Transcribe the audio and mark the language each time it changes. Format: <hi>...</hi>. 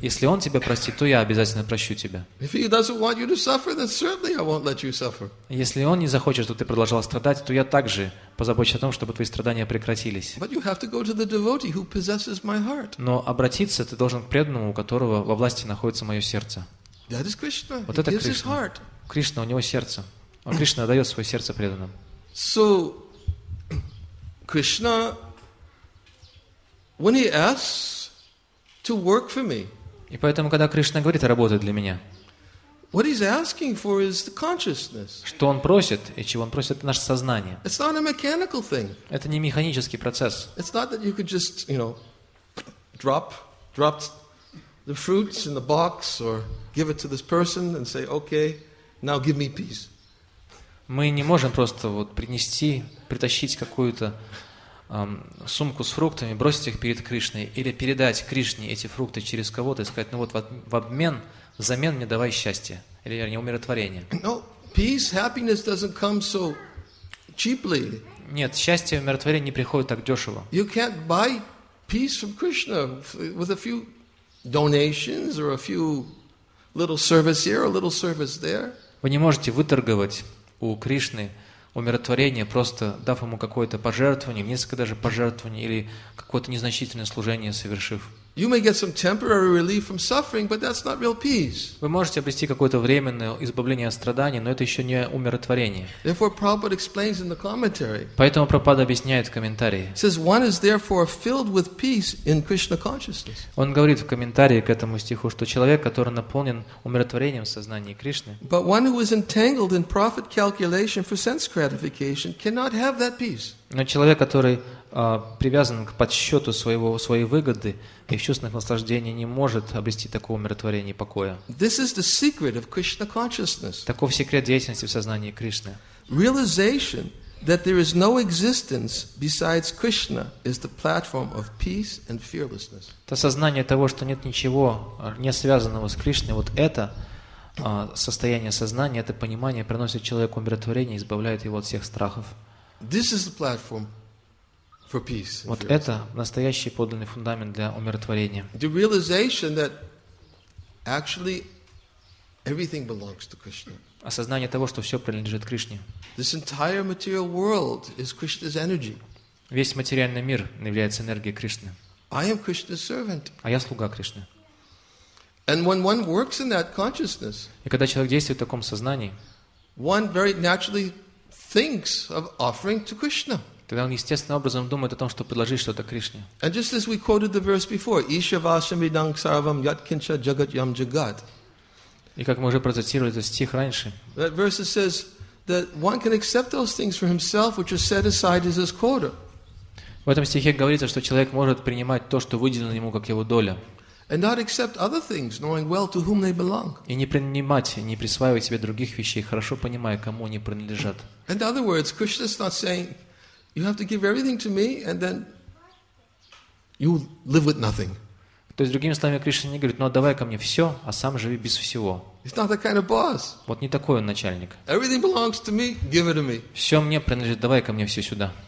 <ru>Если он тебя простит, то я обязательно прощу тебя.</ru> <en>If he doesn't want you to suffer, then certainly I won't let you suffer.</en> <ru>Если он не захочет, чтобы ты продолжал страдать, то я также позабочусь о том, чтобы твои страдания прекратились.</ru> <en>But you have to go to the devotee who possesses my heart.</en> <ru>Но обратиться ты должен к преданному, у которого во власти находится мое сердце.</ru> <en>That is Krishna.</en> <ru>Вот это Кришна. Кришна, у него сердце. Он Кришна дает свое сердце преданным.</ru> <en>So, Krishna. When he asks to work for me.</en> <ru>И поэтому, когда Кришна говорит работать для меня.</ru> <en>What he's asking for is the consciousness.</en> <ru>Что он просит, и чего он просит, это наше сознание.</ru> <en>It's not a mechanical thing.</en> <ru>Это не механический процесс.</ru> <en>It's not that you could just, you know, drop the fruits in the box or give it to this person and say, "Okay, now give me peace."</en> <ru>Мы не можем просто вот принести, притащить какую-то сумку с фруктами, бросить их перед Кришной или передать Кришне эти фрукты через кого-то и сказать: ну вот в обмен, взамен мне давай счастье или вернее умиротворение.</ru> <en>No, peace, happiness doesn't come so cheaply.</en> <ru>Нет, счастье и умиротворение не приходят так дешево.</ru> <en>You can't buy peace from Krishna with a few donations or a few little service here or little service there.</en> <ru>Вы не можете выторговать у Кришны умиротворение, просто дав ему какое-то пожертвование, несколько даже пожертвований или какое-то незначительное служение совершив.</ru> <en>You may get some temporary relief from suffering, but that's not real peace.</en> <ru>Вы можете обрести какое-то временное избавление от страданий, но это еще не умиротворение.</ru> <en>Therefore, Prabhupada explains in the commentary.</en> <ru>Поэтому Прабхупада объясняет в комментарии.</ru> <en>He says one is therefore filled with peace in Krishna consciousness.</en> <ru>Он говорит в комментарии к этому стиху, что человек, который наполнен умиротворением сознания Кришны.</ru> <en>But one who is entangled in profit calculation for sense gratification cannot have that peace.</en> <ru>Но человек, который привязан к подсчету своей выгоды и чувственных наслаждений, не может обрести такого умиротворения и покоя.</ru> <en>This is the secret of Krishna consciousness.</en> <ru>Таков секрет деятельности в сознании Кришны.</ru> <en>Realization that there is no existence besides Krishna is the platform of peace and fearlessness.</en> <ru>Это сознание того, что нет ничего не связанного с Кришной, вот это состояние сознания, это понимание приносит человеку умиротворение и избавляет его от всех страхов.</ru> <en>This is the platform for peace.</en> <ru>Вот это настоящий подлинный фундамент для умиротворения.</ru> <en>The realization that actually everything belongs to Krishna.</en> <ru>Осознание того, что все принадлежит Кришне.</ru> <en>This entire material world is Krishna's energy.</en> <ru>Весь материальный мир является энергией Кришны.</ru> <en>I am Krishna's servant.</en> <ru>А я слуга Кришны.</ru> <en>And when one works in that consciousness.</en> <ru>И когда человек действует в таком сознании.</ru> <en>One very naturally thinks of offering to Krishna.</en> <ru>Тогда он естественным образом думает о том, чтобы предложить что-то Кришне.</ru> <en>And just as we quoted the verse before,</en> <sa>Ishavasham idang sarvam yatkincha jagat yam jagat.</sa> <ru>И как мы уже процитировали этот стих раньше.</ru> <en>That verse says, that one can accept those things for himself, which are set aside as his quota.</en> <ru>В этом стихе говорится, что человек может принимать то, что выделено ему как его доля.</ru> <en>And not accept other things, knowing well to whom they belong.</en> <ru>И не принимать, не присваивать себе других вещей, хорошо понимая, кому они принадлежат.</ru> <en>And in other words, Krishna is not saying you have to give everything to me and then you live with nothing.</en> <ru>То есть другими словами, Кришна не говорит: ну отдавай ко мне все, а сам живи без всего.</ru> <en>He's not that kind of boss.</en> <ru>Вот не такой он начальник.</ru> <en>Everything belongs to me, give it to me.</en> <ru>Все мне принадлежит, давай ко мне все сюда.</ru>